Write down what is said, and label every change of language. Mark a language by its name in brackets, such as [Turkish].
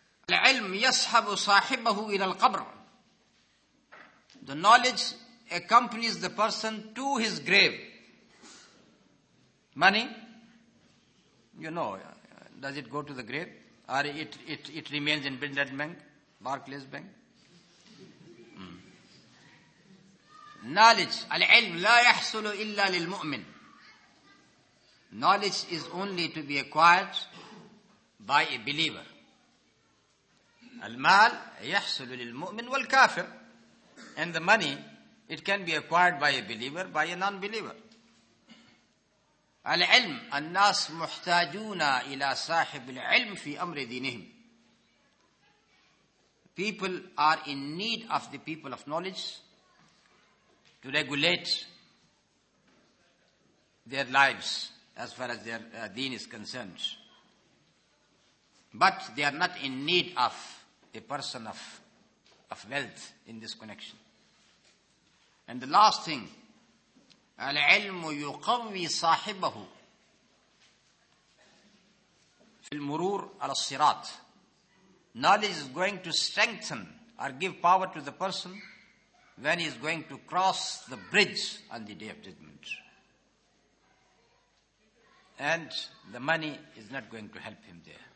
[Arabic] العلم يسحب صاحبه إلى القبر. [English] The knowledge accompanies the person to his grave. Money, you know, does it go to the grave? Or it remains in Bindad Bank, Barclays Bank? Knowledge. [Arabic] العلم لا يحصل إلا للمؤمن. [English] Knowledge is only to be acquired by a believer. [Arabic] المال يحصل للمؤمن والكافر. [English] And the money, it can be acquired by a believer, by a non-believer. [Arabic] العلم الناس محتاجون إلى صاحب العلم في أمر دينهم. [English] People are in need of the people of knowledge to regulate their lives as far as their deen is concerned. But they are not in need of a person of wealth in this connection. And the last thing, [Arabic] العلم يقوي صاحبه في المرور على الصراط. [English] Knowledge is going to strengthen or give power to the person when he is going to cross the bridge on the day of judgment. And the money is not going to help him there.